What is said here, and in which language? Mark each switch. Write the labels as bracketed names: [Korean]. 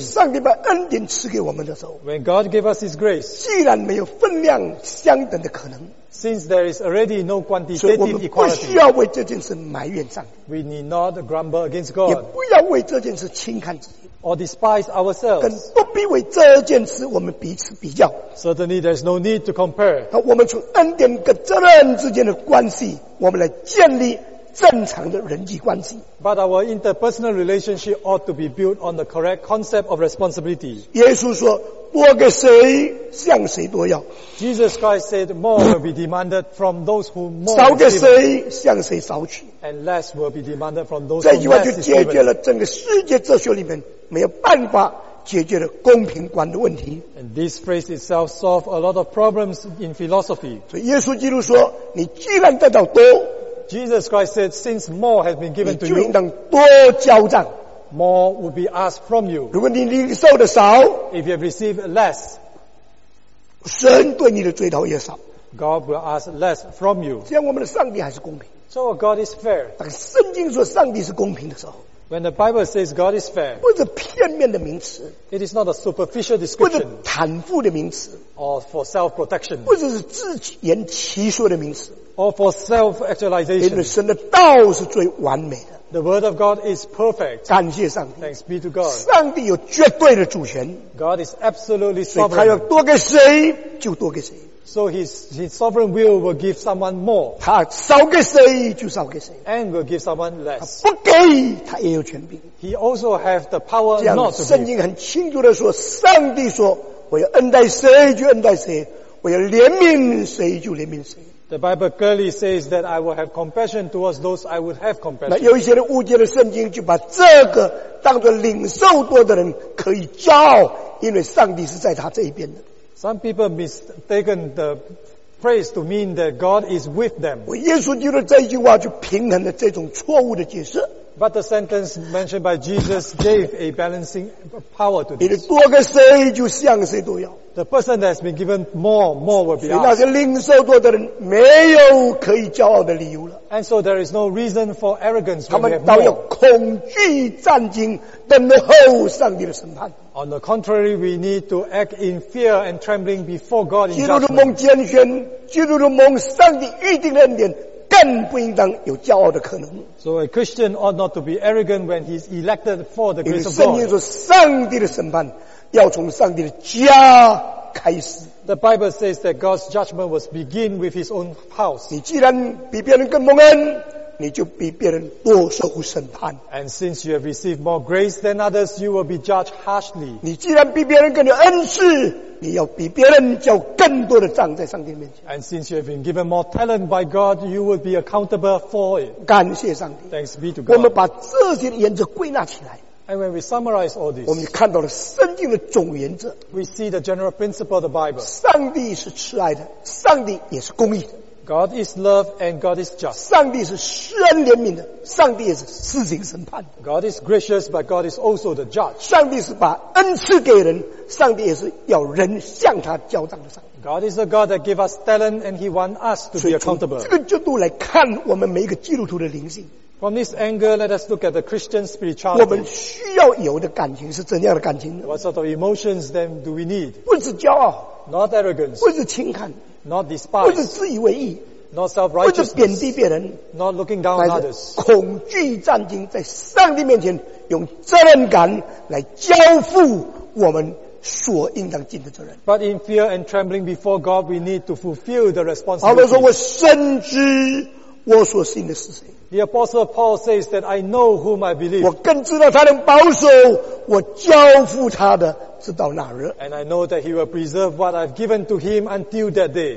[Chinese] 上帝把恩典赐给我们的时候 [English] ，When God gave us His grace, [Chinese] 既然没有分量相等的可能。 [English] Since there is already no quantitative equality, [Chinese] 所以我们不需要为这件事埋怨上帝。 [English] We need not grumble against God. [Chinese] 也不要为这件事轻看自己。 [English] Or despise ourselves. [Chinese] 更不必为这件事我们彼此比较。 [English] Certainly, there is no need to compare. [Chinese] 好，我们从恩典跟责任之间的关系，我们来建立正常的人际关系。 [English] But our interpersonal relationship ought to be built on the correct concept of responsibility. [Chinese] 耶稣说。多给谁向谁多要 [English] Jesus Christ said more will be demanded from those who more receive [Chinese] 少给谁向谁少取 [English] and less will be demanded from those who less receive [Chinese] 这句话就解决了整个世界哲学里面没有办法解决的公平观的问题 [English] and this phrase itself solved a lot of problems in philosophy [Chinese] 所以耶稣基督说你既然得到多 [English] Jesus Christ said since more has been given to you [Chinese] 你就应当多交账 [English] More would be asked from you. [Chinese] 如果你领受的少 [English] if you have received less, [Chinese] 神对你的追讨也少 [English] God will ask less from you. [Chinese] 这样我们的上帝还是公平 [English] So God is fair. [Chinese] 当圣经说上帝是公平的时候 [English] When the Bible says God is fair, [Chinese] 不是片面的名词 [English] It is not a superficial description. [Chinese] 不是袒护的名词 [English] Or for self-protection. [Chinese] 不是自圆其说的名词 [English] Or for self-actualization. [Chinese] 因为神的道是最完美的 [English] The word of God is perfect. [Chinese] 感谢上帝。 [English] Thanks be to God. [Chinese] 上帝有绝对的主权。 [English] God is absolutely sovereign. [Chinese] 所以他要多给谁就多给谁。 [English] So his sovereign will give someone more. [Chinese] 他少给谁就少给谁。 [English] And will give someone less. [Chinese] 他不给他也有权柄。 [English] He also have the power not to give. [Chinese] 圣经很清楚地说上帝说我要恩待谁就恩待谁我要怜悯谁就怜悯谁。 [English] The Bible clearly says that I will have compassion towards those I would have compassion. [Chinese] 那有一些人误解了圣经，就把这个当作领受多的人可以骄傲，因为上帝是在他这一边的。 [English] Some people mistaken the phrase to mean that God is with them. [Chinese] 我耶稣基督这一句话就平衡了这种错误的解释。 [English] But the sentence mentioned by Jesus gave a balancing power to this. [Chinese] 你多给谁，就向谁多要。 [English] The person that has been given more will be asked. [Chinese] 所以那些领受多的人没有可以骄傲的理由了。 [English] And so there is no reason for arrogance. [Chinese] 他们倒要恐惧战惊，等候上帝的审判。 [English] On the contrary, we need to act in fear and trembling before God in [Chinese] judgment. 基督徒蒙拣选，基督徒蒙上帝预定的恩典。更不应当有骄傲的可能。 [English] So a Christian ought not to be arrogant when he's elected for the grace of God. [Chinese] 因为圣经说，上帝的审判要从上帝的家开始。 [English] The Bible says that God's judgment was begin with His own house. [Chinese] 你既然比别人更蒙恩，你就比别人多受审判。 [English] And since you have received more grace than others, you will be judged harshly. [Chinese] 你既然比别人更有恩赐。你要比别人交更多的账在上帝面前。 [English] And since you have been given more talent by God, you will be accountable for it. [Chinese] 感谢上帝。 [English] Thanks be to God. [Chinese] 我们把这些的原则归纳起来。 [English] And when we summarize all this, [Chinese] 我们看到了圣经的总原则。 [English] We see the general principle of the Bible. [Chinese] 上帝是慈爱的，上帝也是公义的。 [English] God is love and God is just. [Chinese] 上帝是施恩怜悯的，上帝也是施行审判。 [English] God is gracious, but God is also the judge. [Chinese] 上帝是把恩赐给人，上帝也是要人向他交账的上帝。 [English] God is a God that gives us talent and He wants us to be accountable. [Chinese] 这个角度来看，我们每一个基督徒的灵性。 [English] From this angle, let us look at the Christian spirituality. [Chinese] 我们需要有的感情是怎样的感情呢 [English] ？What sort of emotions then do we need? [Chinese] 不是骄傲 [English] ，not arrogance. [Chinese] 不是轻看。 [English] Not despise, [Chinese] 不是自以为意 [English] not self-righteousness, [Chinese] 不是贬低别人 [English] not looking down [Chinese] 但是恐惧战惊在上帝面前用责任感来交付我们所应当尽的责任 [English] But in fear and trembling before God we need to fulfill the responsibility [Chinese] 保罗说我深知我所信的是谁 [English] The apostle Paul says that I know whom I believe [Chinese] 我更知道他能保守我交付他的直到那日。 [English] And I know that he will preserve what I've given to him until that day.